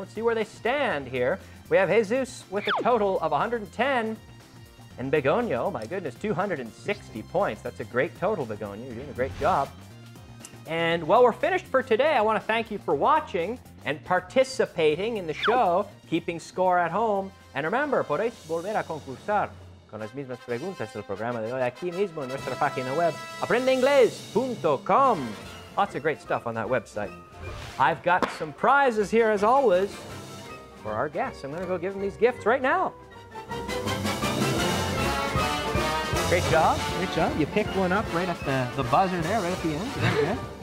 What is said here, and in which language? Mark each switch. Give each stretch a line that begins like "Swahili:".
English: Let's see where they stand here. We have Jesus with a total of 110. And Begonia, oh my goodness, 260 points. That's a great total, Begonia. You're doing a great job. And while we're finished for today, I want to thank you for watching and participating in the show, keeping score at home. And remember,
Spanish: podéis volver a concursar con las mismas preguntas del programa de hoy aquí mismo en nuestra página web, aprendeinglés.com.
English: Lots of great stuff on that website. I've got some prizes here, as always, for our guests. I'm going to go give them these gifts right now. Great job. Great job. You picked one up right at the buzzer there, right at the end.